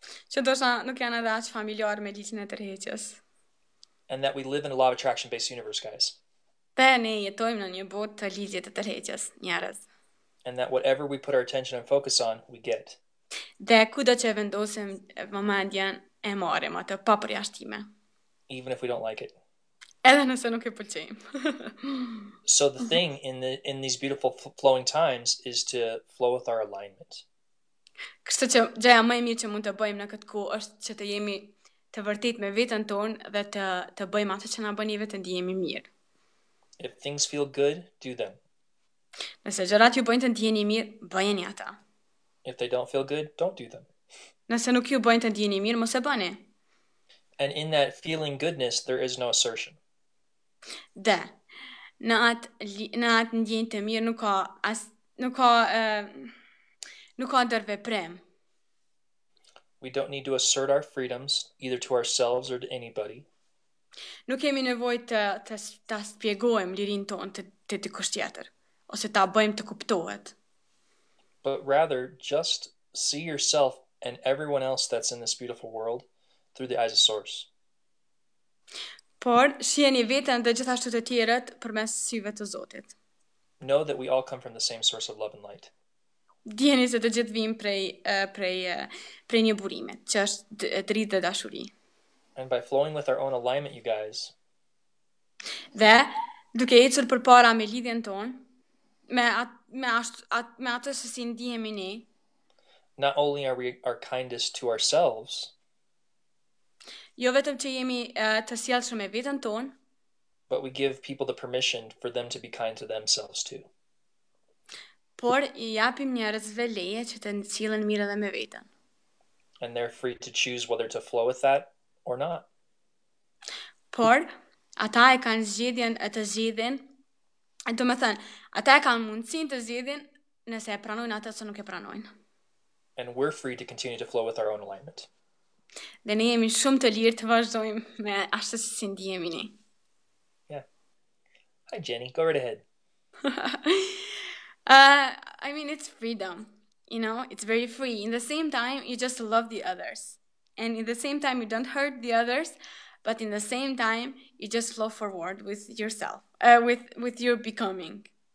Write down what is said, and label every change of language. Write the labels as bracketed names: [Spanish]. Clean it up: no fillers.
[Albanian] Që ndoshta nuk janë edhe aq familjar me ligjin e tërheqjes. [English] And that we live in a law of attraction based universe, guys. [Albanian] Pe ne jetojmë në një botë të ligjit të tërheqjes, njerëz. [English] And that whatever we put our attention and focus on, we get. [Albanian] Dhe kudo që vendosim vëmendjen, e marrim atë pa përjashtime. [English] Even if we don't like it. [Albanian] Edhe nëse nuk e pëlqejmë. [English] So the thing in these beautiful flowing times is to flow with our alignment. [Albanian] Kështu që gjëja më e mirë që mund të bëjmë në këtë kohë është që të jemi të vërtet me veten tonë dhe të bëjmë atë që na bën neve të ndihemi mirë. [English] If things feel good, do them. [Albanian] Nëse gjërat ju bëjnë të ndiheni mirë, bëjeni ata. [English] If they don't feel good, don't do them. [Albanian] Nëse nuk ju bëjnë të ndiheni mirë, mos e bëni. [English] And in that feeling goodness, there is no assertion. [Albanian] Dhe, në atë ndjenjë të mirë nuk ka ndërveprim. [English] We don't need to assert our freedoms, either to ourselves or to anybody. [Albanian] Nuk kemi nevojë të ta shpjegojmë lirinë tonë te dikush tjetër, ose ta bëjmë të kuptohet. [English] But rather, just see yourself and everyone else that's in this beautiful world through the eyes of Source. [Albanian] Por, shiheni veten dhe gjithashtu të tjerët përmes syve të Zotit. [English] Know that we all come from the same source of love and light. [Albanian] Dijeni se të gjithë vim prej një burime, që është dritë dhe dashuri. [English] And by flowing with our own alignment, you guys. [Albanian] Dhe, duke ecur përpara me lidhjen tonë, me atë se si ndihemi ne, [English] Not only are we our kindest to ourselves, [Albanian] jo vetëm që jemi të sjellshëm me veten tonë, [English] but we give people the permission for them to be kind to themselves too. [Albanian] por i japim njerëzve leje që të cilën mirë edhe me veten. [English] And they're free to choose whether to flow with that or not. [Albanian] Por, ata e kanë zgjedhjen e të zgjedhin, e do me thënë, ata e kanë mundësin të zgjedhin nëse e pranojnë atë që nuk e pranojnë. [English] And we're free to continue to flow with our own alignment. [Albanian] Dhe ne jemi shumë të lirë të vazhdojmë me ashtë si si ndihemi [English] Hi, Jenny. Go right ahead. I mean, it's freedom, you know, it's very free. In the same time, you just love the others. And in the same time, you don't hurt the others. but in the same time, you just flow forward with yourself, with your becoming.